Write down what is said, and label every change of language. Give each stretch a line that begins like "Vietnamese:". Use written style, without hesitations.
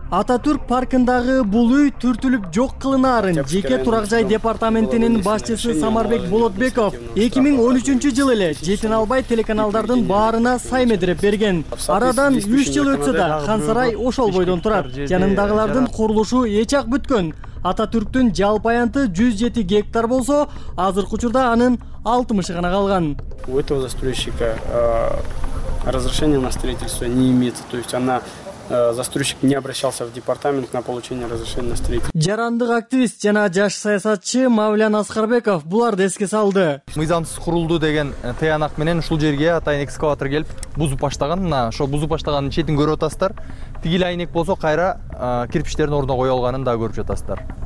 Kyrgyz: Ататүрк паркындагы бул үй түртүлүп жок кылынаарын жеке турак жай департаментинин башчысы Самарбек Болотбеков 2013 жылы эле жетин албай телеканалдардын баарына сай медиреп берген. Арадан 3 жыл өтсө да хан сарай ошол бойдон турат. Жанындагылардын курулушу эч ак бүткөн. Ататүрктүн жалпы аянты 107 гектар болсо, азыркы учурда анын 60 гана калган.
Russian: У этого застройщика разрешение на строительство не имеется, то есть она застройщик не обращался в департамент на получение разрешения на строительство.
Kyrgyz: Жарандык активист жана жаш саясатчы Мавлян Аскарбеков буларды эске салды. Мыйзамсыз курулду деген тыянак менен ушул жерге атайын экскаватор келип бузуп баштаган. Мына ошол бузуп баштаганын четин көрүп атасыздар. Тигил айнек болсо кайра кирпичтердин ордуна коюлганын дагы көрүп жатасыздар.